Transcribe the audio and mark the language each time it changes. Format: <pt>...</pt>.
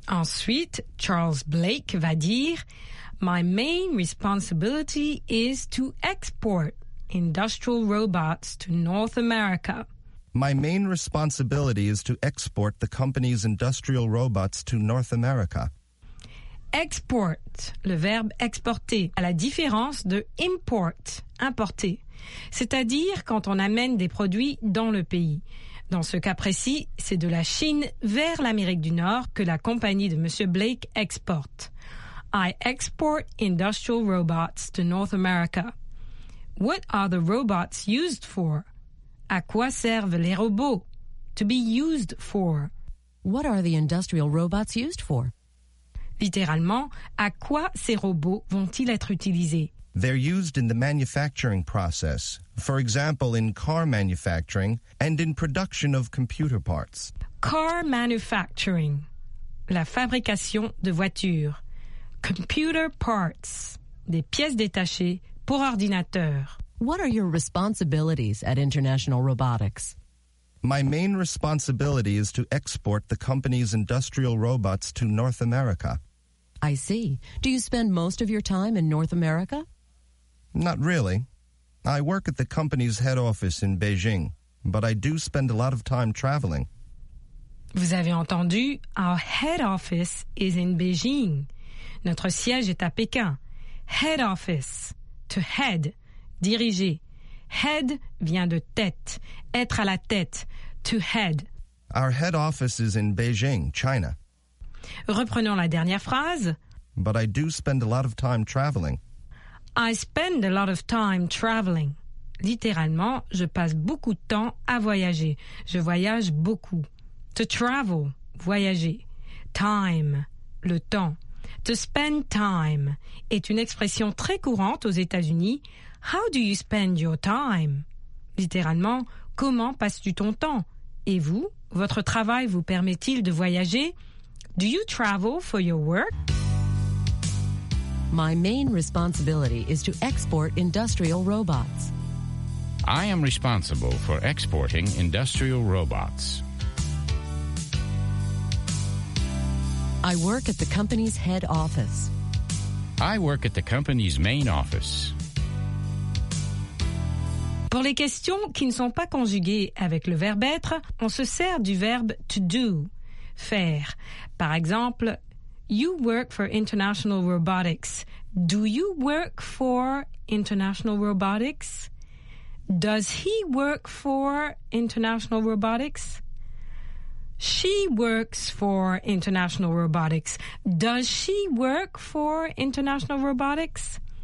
<fr>Ensuite, Charles Blake va dire,</fr> <en>My main responsibility is to export industrial robots to North America. My main responsibility is to export the company's industrial robots to North America.</en> <fr>Export, le verbe exporter, à la différence de import, importer. C'est-à-dire quand on amène des produits dans le pays. Dans ce cas précis, c'est de la Chine vers l'Amérique du Nord que la compagnie de Monsieur Blake exporte.</fr> <en>I export industrial robots to North America. What are the robots used for?</en> <fr>À quoi servent les robots?</fr> <en>To be used for. What are the industrial robots used for?</en> <fr>Littéralement, à quoi ces robots vont-ils être utilisés?</fr> <en>They're used in the manufacturing process, for example, in car manufacturing and in production of computer parts. Car manufacturing,</en> <fr>la fabrication de voitures.</fr> <en>Computer parts,</en> <fr>des pièces détachées pour ordinateur.</fr> <en>What are your responsibilities at International Robotics? My main responsibility is to export the company's industrial robots to North America. I see. Do you spend most of your time in North America? Not really. I work at the company's head office in Beijing, but I do spend a lot of time traveling.</en> <fr>Vous avez entendu,</fr> <en>our head office is in Beijing.</en> <fr>Notre siège est à Pékin. Head office, to head, diriger. Head vient de tête, être à la tête, to head.</fr> <en>Our head office is in Beijing, China.</en> <fr>Reprenons la dernière phrase.</fr> <en>But I do spend a lot of time traveling. I spend a lot of time traveling.</en> <fr>Littéralement, je passe beaucoup de temps à voyager. Je voyage beaucoup. To travel, voyager. Time, le temps.</fr> <en>To spend time</en> <fr>est une expression très courante aux États-Unis.</fr> <en>How do you spend your time?</en> <fr>Littéralement, comment passes-tu ton temps? Et vous, votre travail vous permet-il de voyager?</fr> <en>Do you travel for your work? My main responsibility is to export industrial robots. I am responsible for exporting industrial robots. I work at the company's head office. I work at the company's main office.</en> <fr>Pour les questions qui ne sont pas conjuguées avec le verbe être, on se sert du verbe to do, faire. Par exemple,</fr> <en>you work for International Robotics. Do you work for International Robotics? Does he work for International Robotics? She works for International Robotics. Does she work for International Robotics?</en>